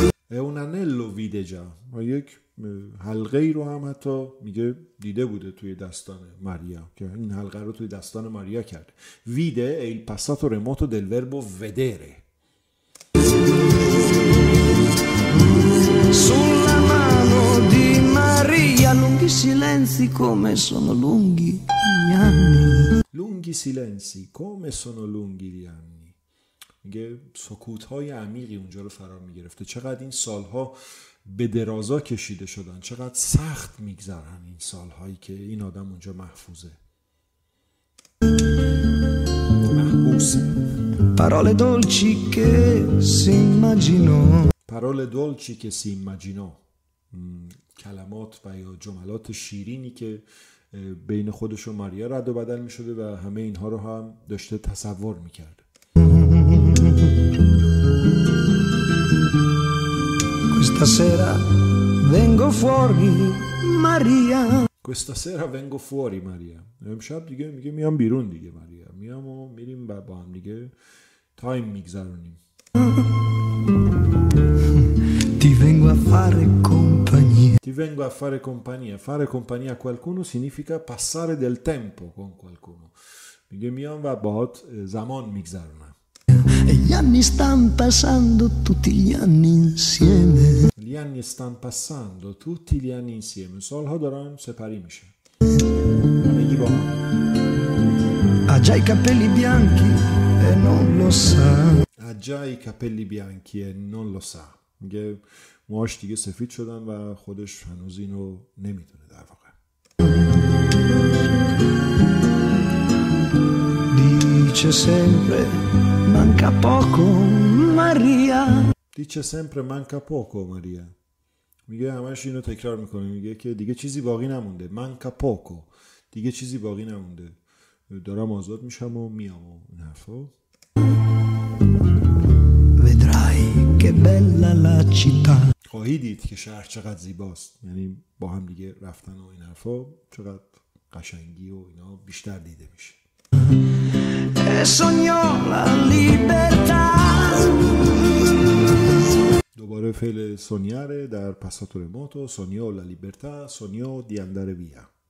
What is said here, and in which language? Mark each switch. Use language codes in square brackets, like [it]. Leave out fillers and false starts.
[fa] اون انلو ویده جا، و یک حلقه رو هم حتی میگه دیده بوده توی دستان ماریا، که این حلقه رو توی دستان ماریا کرده. [it] ویده ایل پساتو رموتو دل وربو ودره. Sulla mano di Maria lunghi silenzi come sono lunghi gli anni. Lunghi silenzi come sono lunghi gli anni. [fa] میگه سکوت‌های عمیقی اونجا رو فرا می‌گرفته. چقدر این سال‌ها به درازا کشیده شدن. چقدر سخت می‌گذرن این سال‌هایی که این آدم اونجا محفوظه. محبوس. [it] Parole dolci che si immagino. Parole dolci che si immagino. [fa] کلمات و یا جملات شیرینی که بین خودش و ماریا رد و بدل می شده و همه اینها رو هم داشته تصور می کرده. [it] Questa sera vengo fuori Maria. Questa sera vengo fuori Maria. [fa] امشب دیگه میگه میام بیرون دیگه ماریا. میام و میریم با هم دیگه تایم میگذرونیم. [it] Ti vengo a fare compagnia. Fare compagnia a qualcuno significa passare del tempo con qualcuno. [fa] میگه میام و باهات زمان میگذرونم. [it] Gli anni stan passando tutti gli anni insieme. Gli anni stan passando tutti gli anni insieme. [fa] سالها دارن سپری میشه. [it] Ha già i capelli bianchi e non lo sa. Ha già i capelli bianchi e non lo sa. [fa] میگه موهاش دیگه سفید شدن و خودش هنوز اینو نمیدونه در واقع. [it] Dice sempre manca poco Maria. Dice sempre manca poco Maria. [fa] میگه همش اینو تکرار میکنه، میگه که دیگه چیزی باقی نمونده. [it] Manca poco. [fa] دیگه چیزی باقی نمونده. دارم آزاد میشم و میام و این حرفا. [it] Vedrai che bella la città. [fa] خواهی دید که شهر چقدر زیباست. یعنی با هم دیگه رفتن و این حرفا چقدر قشنگی و اینا بیشتر دیده میشه. [it] E sognò la libertà. [fa] دوباره فعل سونیاره در پساتو رموتو. [it] سونیو لا لیبرتا، سونیو دی اندر ویا.